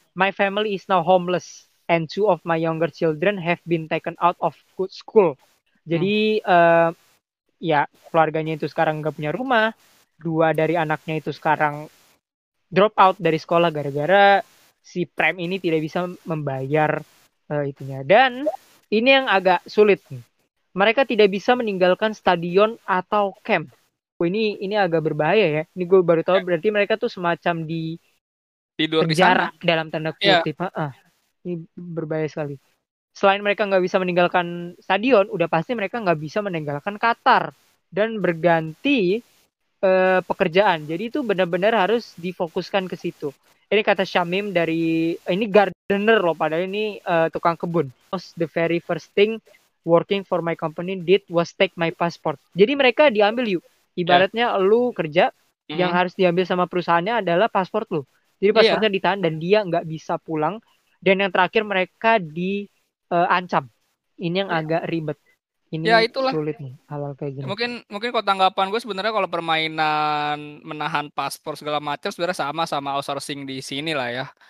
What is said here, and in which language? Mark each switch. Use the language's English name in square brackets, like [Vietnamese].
[English] My family is now homeless and two of my younger children have been taken out of school. [Indonesian] Jadi ya keluarganya itu sekarang nggak punya rumah. Dua dari anaknya itu sekarang drop out dari sekolah gara-gara si Prem ini tidak bisa membayar itunya. Dan ini yang agak sulit. Mereka tidak bisa meninggalkan stadion atau camp. Ini agak berbahaya ya. Ini gue baru tahu berarti mereka tuh semacam di tidur penjara di sana. Dalam tanda kutip. Yeah. Ini berbahaya sekali. Selain mereka nggak bisa meninggalkan stadion, udah pasti mereka nggak bisa meninggalkan Qatar. Dan berganti pekerjaan. Jadi itu benar-benar harus difokuskan ke situ. Ini kata Syamim dari, ini gardener loh, padahal ini tukang kebun. [English] The very first thing working for my company did was take my passport. [Indonesian] Jadi mereka diambil yuk. Ibaratnya yeah. Lu kerja, yang harus diambil sama perusahaannya adalah paspor lu. Jadi paspornya yeah. ditahan dan dia nggak bisa pulang. Dan yang terakhir mereka diancam. Ini yang yeah. agak ribet. Ini ya itulah sulit nih, hal-hal kayak gini. Mungkin mungkin kalau tanggapan gue sebenarnya kalau permainan menahan paspor segala macam sebenarnya sama sama outsourcing di sini lah ya.